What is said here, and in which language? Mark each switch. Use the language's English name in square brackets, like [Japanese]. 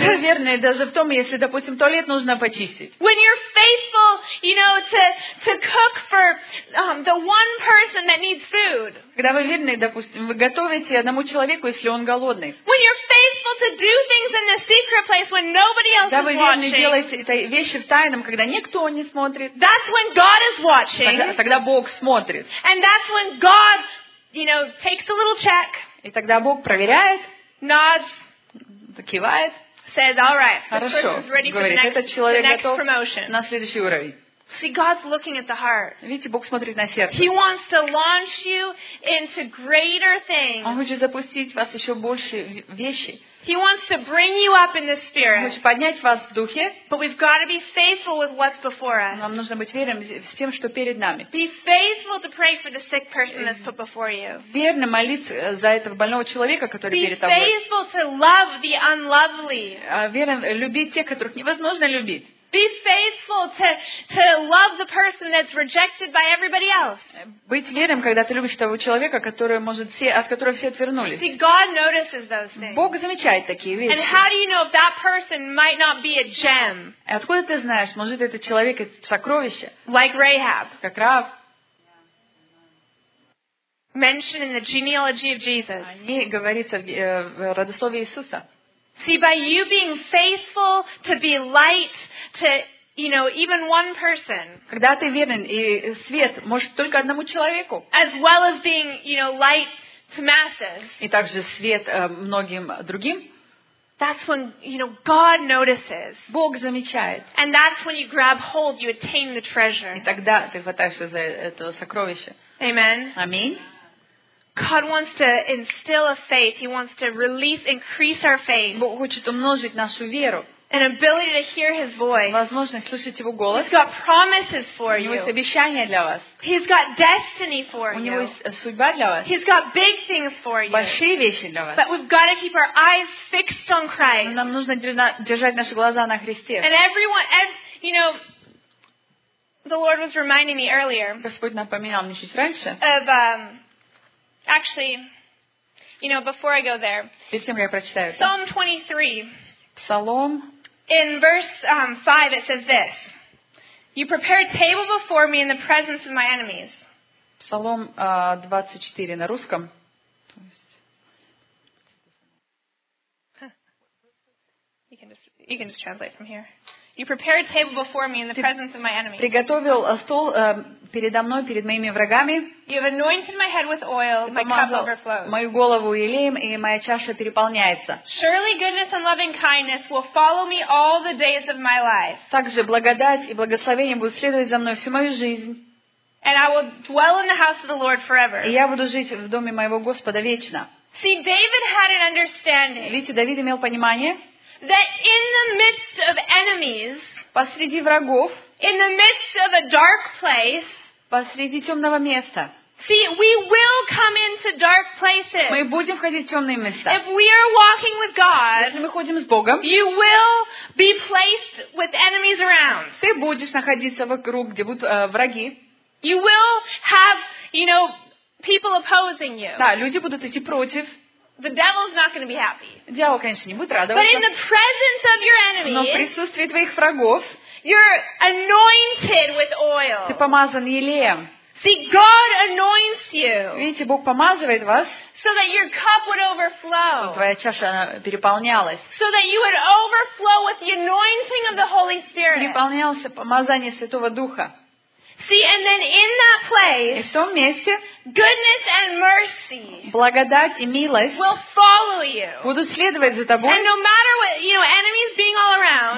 [Russian] Если вы верны даже в том, если, допустим, туалет нужно почистить. [English] When you're faithful, you know, to cook for the one person that needs food. [Russian] Когда вы верны, допустим, вы готовите одному человеку, если он голодный. [English] When you're faithful to do things in the secret place when nobody else is watching. [Russian] Когда вы верны делаете эти вещи в тайном, когда никто не смотрит. [English] That's when God is watching. [Russian] Тогда Бог смотрит. [English] And that's when God, you know, takes a little check. [Russian] И тогда Бог проверяет. [English] Nods. [Russian] Закивает. [English] Says, all right. [Russian] Хорошо. Говорит, этот человек готов на следующий уровень. [English] See, God's looking at the heart. [Russian] Видите, Бог смотрит на сердце. [English] He wants to launch you into greater things. [Russian] Он хочет запустить вас еще больше вещи. [English] He wants to bring you up in the spirit. [Russian] Он хочет поднять вас в духе. [English] But we've got to be faithful with what's before us. [Russian] Нам нужно быть верным с тем, что перед нами. [English] Be faithful to pray for the sick person that's put before you. [Russian] Верно молиться за этого больного человека, который перед тобой. [English] Be faithful to love the unlovely. [Russian] Верно любить тех, которых невозможно любить. [English] Be faithful to love the person that's rejected by everybody else. [Russian] Быть верным, когда ты любишь того человека, который может все, от которого все отвернулись. [English] See, God notices those things. [Russian] Бог замечает такие вещи. [English] And how do you know if that person might not be a gem? [Russian] Откуда ты знаешь, может этот человек это сокровище? [English] Like Rahab. [Russian] Как Раав. [English] Mentioned in the genealogy of Jesus. [Russian] О ней говорится в родословии Иисуса. [English] See, by you being faithful to be light to, you know, even one person. [Russian] Когда ты верен и свет, может, только одному человеку. [English] As well as being, you know, light to masses. [Russian] И также свет многим другим. [English] That's when, you know, God notices. [Russian] Бог замечает. [English] And that's when you grab hold, you attain the treasure. [Russian] И тогда ты хватаешься за это сокровище. [English] Amen. [Russian] Аминь. [English] God wants to instill a faith. He wants to release, increase our faith. [Russian] Бог хочет умножить нашу веру. [English] An ability to hear His voice. [Russian] Возможность слышать Его голос. [English] He's got promises for you. [Russian] У него есть обещания для вас. [English] He's got destiny for you. [Russian] У него есть судьба для вас. [English] He's got big things for you. [Russian] Большие вещи для вас. [English] But we've got to keep our eyes fixed on Christ. [Russian] Нам нужно держать наши глаза на Христе. [English] And everyone, you know, the Lord was reminding me earlier. [Russian] Господь напоминал мне чуть раньше. [English] Actually, you know, before I go there, Psalm 23, Psalm. In verse 5, it says this, You prepare a table before me in the presence of my enemies. [Russian] Psalm 24 на русском. [English] You can just translate from here. You prepare a table before me in the presence of my enemies. [Russian] Приготовил стол передо мной перед моими врагами. [English] You have anointed my head with oil, my cup overflows. [Russian] Мою голову елеем, и моя чаша переполняется. [English] Surely goodness and loving kindness will follow me all the days of my life. [Russian] Также благодать и благословение будут следовать за мной всю мою жизнь. [English] And I will dwell in the house of the Lord forever. [Russian] И я буду жить в доме моего Господа вечно. [English] See, David had an understanding. [Russian] Видите, Давид имел понимание. [English] That in the midst of enemies, [Russian] посреди врагов, [English] in the midst of a dark place, [Russian] посреди темного места. [English] See, we will come into dark places. [Russian] Мы будем входить в темные места. [English] If we are walking with God, [Russian] если мы ходим с Богом, [English] you will be placed with enemies around. [Russian] Ты будешь находиться вокруг, где будут враги. [English] You will have, you know, people opposing you. [Russian] Да, люди будут идти против. [English] The devil's not going to be happy. [Russian] Дьявол, конечно, не будет радоваться. [English] But in the presence of your enemies, [Russian] но в присутствии твоих врагов, [English] you're anointed with oil. [Russian] Ты помазан елеем. [English] See, God anoints you. [Russian] Видите, Бог помазывает вас. [English] So that your cup would overflow. [Russian] Чтобы твоя чаша переполнялась. [English] So that you would overflow with the anointing of the Holy Spirit. [Russian] Переполнялся помазание Святого Духа. [English] See, and then in that place, [Russian] и в том месте, [English] goodness and mercy, [Russian] благодать и милость, [English] will follow you, [Russian] будут следовать за тобой, [English] and no matter what, you know, enemies being all around,